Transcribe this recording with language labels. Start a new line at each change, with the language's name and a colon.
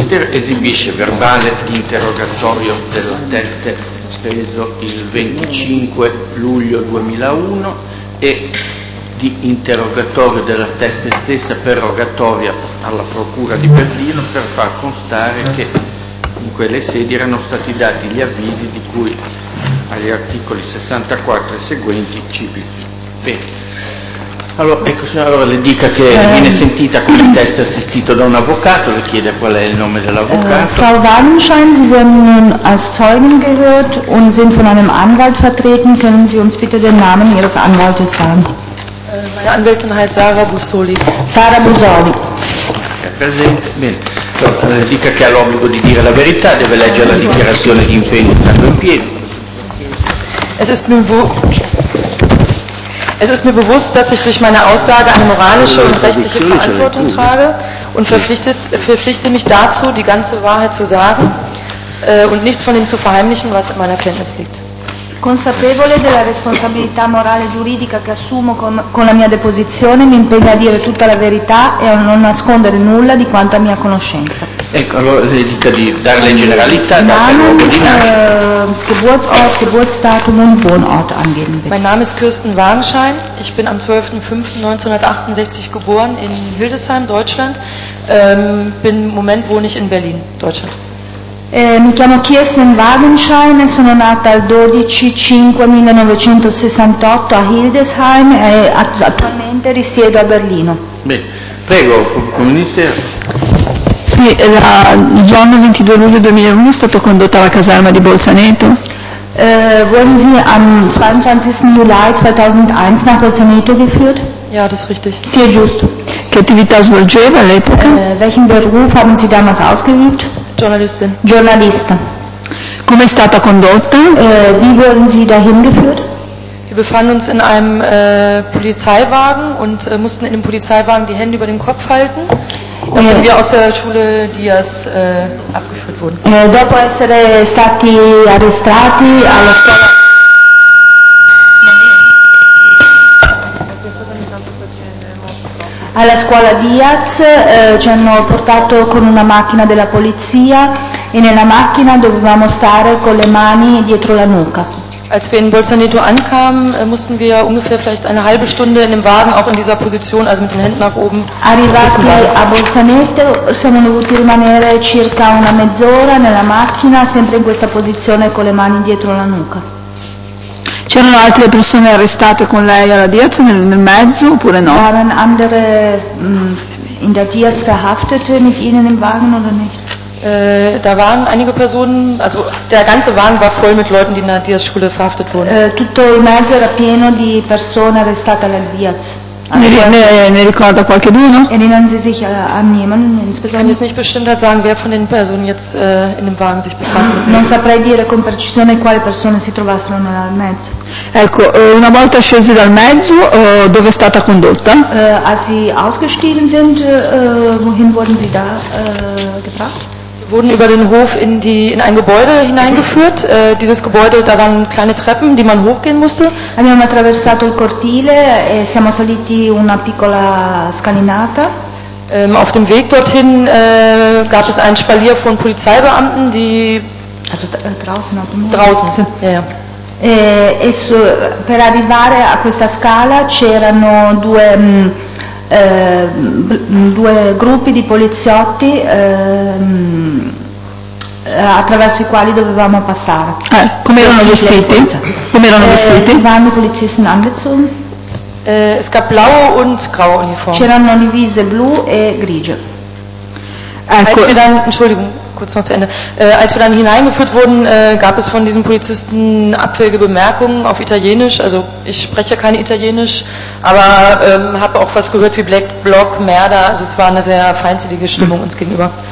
Italian: Esibisce verbale di interrogatorio della teste speso il 25 luglio 2001 e di interrogatorio della teste stessa per rogatoria alla Procura di Berlino per far constare che in quelle sedi erano stati dati gli avvisi di cui agli articoli 64 e seguenti CPP. Bene. Allora, ecco, allora le dica che viene sentita con il test assistito da un avvocato, le chiede qual è il nome dell'avvocato.
German: Frau Wagenscheid, Sie werden nun als Zeugin gehört und sind von einem Anwalt vertreten. Können Sie uns bitte den Namen Ihres Anwaltes sagen? Meine Anwältin heißt Sara Busoli. Sara Busoli.
Italian: È presente, bene. Allora, le dica che ha l'obbligo di dire la verità, deve leggere la dichiarazione di impegno stando in piedi.
German: Es ist mir wohl... Es ist mir bewusst, dass ich durch meine Aussage eine moralische und rechtliche Verantwortung trage und verpflichte mich dazu, die ganze Wahrheit zu sagen und nichts von dem zu verheimlichen, was in meiner Kenntnis liegt.
Italian: Consapevole della responsabilità morale e giuridica che assumo con la mia deposizione, mi impegno a dire tutta la verità e a non nascondere nulla di quanto a mia conoscenza. Ecco, allora le dica di darle in generalità, darle
German: Namen,
Italian: luogo di nascita.
German: Geburtsort, Geburtsdatum und Wohnort angeben. Mein Name ist Kirsten Wagenscheid. Ich bin am 12.05.1968 geboren in Hildesheim, Deutschland. Bin im Moment wohne ich in Berlin, Deutschland.
Italian: Mi chiamo Kirsten Wagenscheid e sono nata il 12/5/1968 a Hildesheim e attualmente risiedo a Berlino. Bene, prego, pubblico ministero. Sì, il giorno 22 luglio 2001 è stata condotta la caserma di Bolzaneto.
German: Wurden Sie am 22. Juli 2001 nach Bolzaneto geführt? Ja, das ist richtig.
Italian: Sì, è giusto. Che attività svolgeva all'epoca?
German: Welchen Beruf haben Sie damals ausgeübt? Giornalistin.
Italian: Giornalista. Come è stata condotta?
German: Wie wurden Sie dahin geführt? Wir befanden uns in einem Polizeiwagen und mussten in dem Polizeiwagen die Hände über den Kopf halten, damit wir aus der Schule Diaz abgeführt wurden.
Italian: Dopo essere stati arrestati alla scuola. Alla scuola Diaz ci hanno portato con una macchina della polizia e nella macchina dovevamo stare con le mani dietro la nuca.
German: Als wir in Bolzaneto ankamen, mussten wir ungefähr vielleicht eine halbe Stunde in dem Wagen auch in dieser Position, also mit den Händen nach oben.
Italian: Arrivati a Bolzaneto, siamo dovuti rimanere circa una mezz'ora nella macchina, sempre in questa posizione con le mani dietro la nuca. C'erano altre persone arrestate con lei alla Diaz nel mezzo oppure no?
German: Waren andere in der Diaz verhaftete mit ihnen im Wagen oder nicht? Da waren einige Personen, also der ganze Wagen war voll mit Leuten, die in der Diaz-Schule verhaftet wurden.
Italian: Tutto il mezzo era pieno di persone arrestate alla Diaz. Ne ricorda qualcuno?
German: Erinnern Sie sich an jemanden insbesondere? Ich kann jetzt nicht bestimmt sagen, wer von den Personen jetzt in dem Wagen sich befand.
Italian: Non saprei dire con precisione quale persone si trovassero nel mezzo. Ecco, una volta scesi dal mezzo, dove è stata condotta?
German: Als Sie ausgestiegen sind, wohin wurden Sie da gebracht? Wurden über den Hof in ein Gebäude hineingeführt. Dieses Gebäude, da waren kleine Treppen, die man hochgehen musste.
Italian: Abbiamo attraversato il cortile e siamo saliti una piccola scalinata.
German: Auf dem Weg dorthin gab es ein Spalier von Polizeibeamten, die... Also draußen? Draußen, ja, ja.
Italian: Per arrivare a questa scala c'erano due... due gruppi di poliziotti attraverso i quali dovevamo passare. Come erano vestiti? Come erano vestiti?
German: Waren die Polizisten angezogen? Es gab blaue und graue Uniformen.
Italian: C'erano divise blu e grigie. Ecco.
German: Kurz noch zu Ende. Als wir dann hineingeführt wurden, gab es von diesen Polizisten abfällige Bemerkungen auf Italienisch. Also ich spreche kein Italienisch. Aber habe auch was gehört wie Black Bloc Merda, also es war eine sehr feindselige Stimmung uns gegenüber.